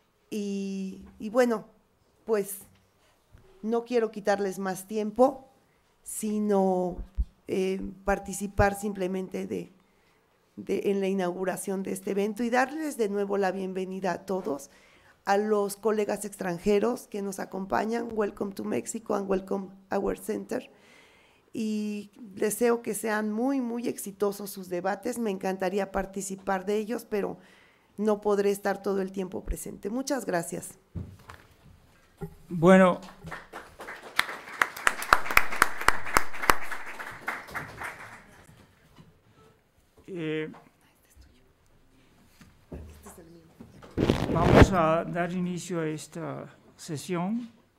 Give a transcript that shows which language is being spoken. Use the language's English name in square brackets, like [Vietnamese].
[Spanish] Y bueno, pues no quiero quitarles más tiempo, sino participar simplemente en la inauguración de este evento y darles de nuevo la bienvenida a todos, a los colegas extranjeros que nos acompañan. [English] Welcome to Mexico and welcome our center. [Spanish] Y deseo que sean muy, muy exitosos sus debates. Me encantaría participar de ellos, pero no podré estar todo el tiempo presente. Muchas gracias. Bueno, vamos a dar inicio a esta sesión.